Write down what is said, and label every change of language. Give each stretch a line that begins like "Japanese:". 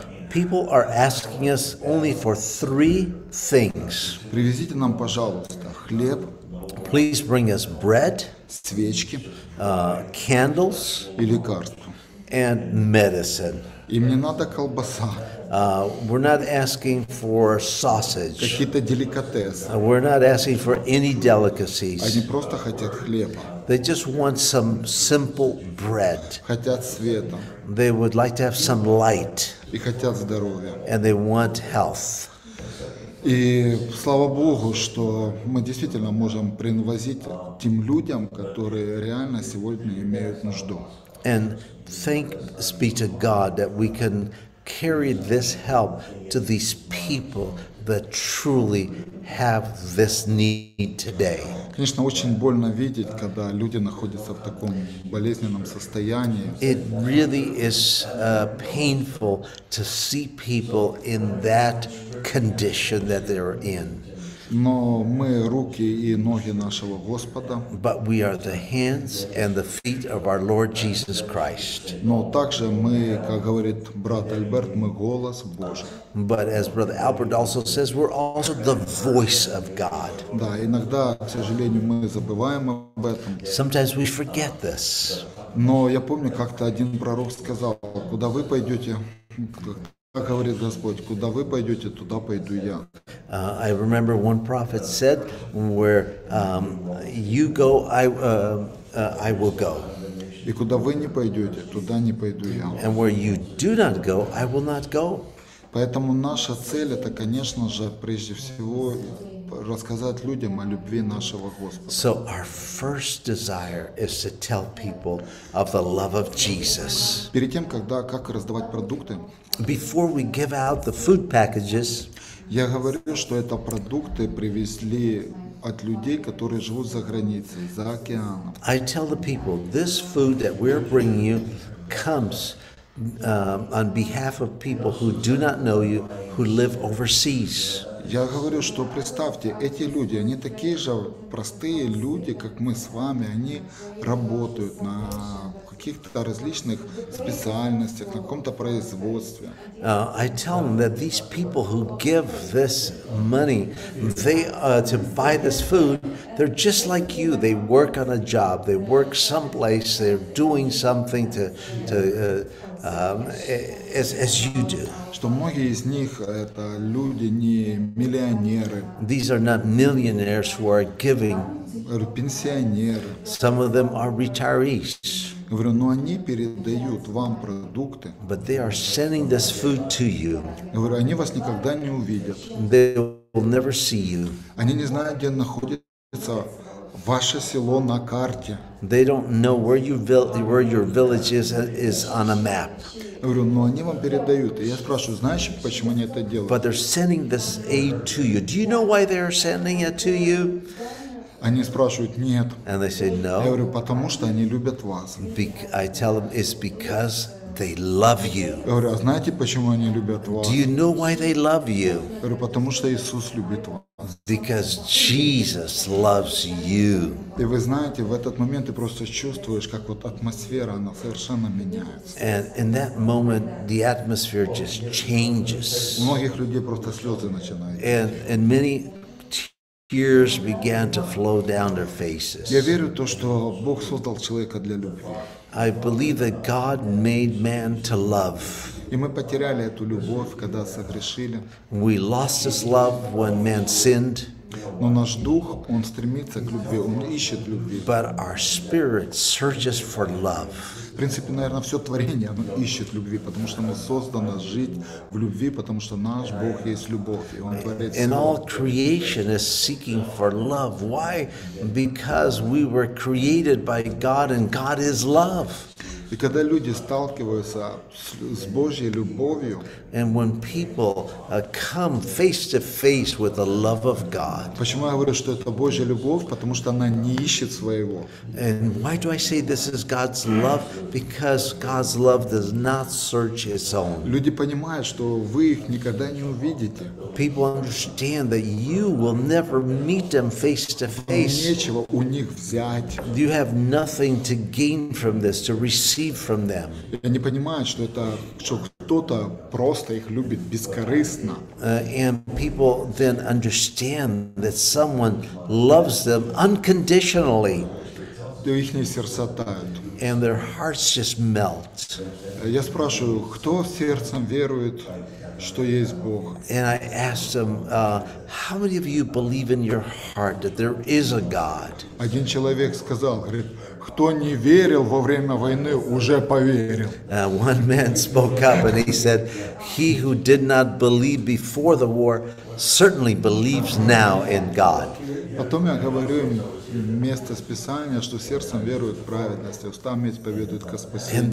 English: People are asking us only for three things.
Russian: Привезите нам, пожалуйста, хлеб.
English: Please bring us bread,
Russian: свечки,
English: candles,
Russian: и лекарства,
English: and medicine.
Russian: И мне надо колбаса.
English: We're not asking for sausage.
Russian: Какие-то деликатесы.
English: We're not asking for any delicacies.
Russian: Они просто хотят хлеба.
English: They just want some simple bread.
Russian: Хотят света.
English: They would like to have some light.
Russian: И хотят здоровья.
English: And they want health.
Russian: И слава Богу, что мы действительно можем привозить тем людям, которые реально сегодня имеют нужду.
English: And thanks be to God that we can carry this help to these people that truly have this need today.
Russian: Конечно, очень больно видеть, когда люди находятся в таком болезненном состоянии.
English: It really is painful to see people in that condition that they're in.
Russian: Но мы руки и ноги нашего Господа.
English: But we are the hands and the feet of our Lord Jesus Christ.
Russian: Но также мы, как говорит брат Альберт, мы голос Божий.
English: But as brother Albert also says, we're also the voice of God.
Russian: Да, иногда, к сожалению, мы забываем об этом.
English: Sometimes we forget this.
Russian: Но я помню, как-то один пророк сказал: куда вы пойдете? Как говорит Господь, куда вы пойдете, туда пойду я.
English: I remember one prophet said, where you go, I will go.
Russian: И куда вы не пойдете, туда не пойду я.
English: And where you do not go, I will not go.
Russian: Поэтому наша цель, это, конечно же, прежде всего, рассказать людям о любви нашего Господа.
English: So our first desire is to tell people of the love of Jesus.
Russian: Перед тем, как раздавать продукты,
English: before we give out the food packages,
Russian: я говорю, что это продукты привезли от людей, которые живут за границей, за океаном.
English: I tell the people, this food that we're bringing you comes on behalf of people who do not know you, who live overseas.
Russian: Я говорю, что представьте, эти люди, они такие же простые люди, как мы с вами, они работают на каких-то различных специальностях, на каком-то производстве.
English: I tell them that these people who give this money, they to buy this food, they're just like you. They work on a job, they work someplace, they're doing something to as you do.
Russian: Что многие из них это люди не миллионеры.
English: These are not millionaires who are giving.
Russian: Пенсионеры.
English: Some of them are retirees.
Russian: Говорю, но они передают вам продукты.
English: But they are sending this food to you.
Russian: Говорю, они вас никогда не увидят.
English: They will never see you.
Russian: Они не знают, где находится ваше село на карте.
English: They don't know where your village is on a map.
Russian: Говорю, но они вам передают. И я спрашиваю, знаешь, почему они это делают?
English: But they're sending this aid to you. Do you know why they are sending it to you?
Russian: Они спрашивают, нет.
English: And they say, no.
Russian: Я говорю, потому что они любят вас.
English: I tell them, it's because they love you.
Russian: Я говорю, а знаете, почему они любят вас?
English: Do you know why they love you?
Russian: Я говорю, потому что Иисус любит вас.
English: Because Jesus loves you.
Russian: И вы знаете, в этот момент ты просто чувствуешь, как вот атмосфера, она совершенно меняется.
English: And in that moment, the atmosphere just changes.
Russian: У многих людей просто слезы начинают.
English: And many tears began to flow down their faces.
Russian: Я верю то, что Бог создал человека для любви.
English: I believe that God made man to love.
Russian: И мы потеряли эту любовь, когда согрешили.
English: We lost this love when man sinned.
Russian: Но наш дух, он стремится к любви, он ищет любви.
English: But our spirit searches for love.
Russian: В принципе, наверное, все творение, оно ищет любви, потому что оно создано жить в любви, потому что наш Бог есть любовь, и Он творит.
English: And all creation is seeking for love. Why? Because we were created by God, and God is love.
Russian: И когда люди сталкиваются с Божьей любовью,
English: and when people come face to face with the love of God,
Russian: почему я говорю, что это Божья любовь, потому что она не ищет своего.
English: And why do I say this is God's love? Because God's love does not search its own.
Russian: Люди понимают, что вы их никогда не увидите.
English: People understand that you will never meet them face to face.
Russian: Нечего у них взять.
English: You have nothing to gain from this, to receive from them.
Russian: Они понимают, что это что кто-то просто их любит бескорыстно.
English: And people then understand that someone loves them unconditionally.
Russian: И их сердца тают.
English: And their hearts just melt.
Russian: Я спрашиваю, кто сердцем верует, что есть Бог?
English: And I ask them, how many of you believe in your heart that there is a God?
Russian: Один человек сказал, говорит, кто не верил во время войны, уже поверил.
English: One man spoke up and he said, he who did not believe before the war certainly believes now in God.
Russian: Потом я говорю им место из Писания, что сердцем веруют в праведность, а устами исповедуют ко спасению.